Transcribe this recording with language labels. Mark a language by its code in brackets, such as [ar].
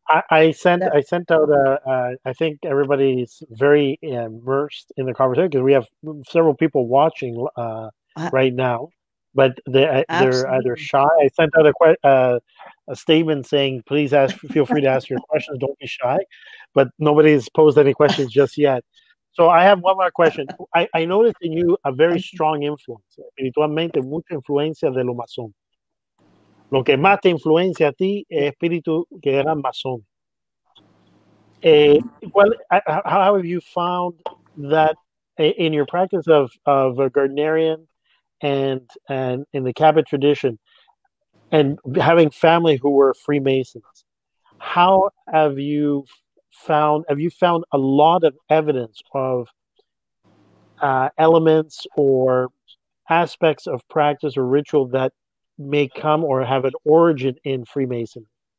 [en] I think everybody's very immersed in the conversation because we have several people watching right now, but they're either shy. I sent out a statement saying, please feel free to ask your questions. Don't be shy. But nobody's posed any questions just yet. So I have one more question. I noticed in you a very strong influence. [es] Espiritualmente, mucha influencia de lo masón. Lo que más te influencia a ti es espíritu que era masón. [en] How have you found that in your practice of a Gardnerian and in the Cabot tradition and having family who were Freemasons, have you found a lot of evidence of elements or aspects of practice or ritual that may come or have an origin in Freemasonry?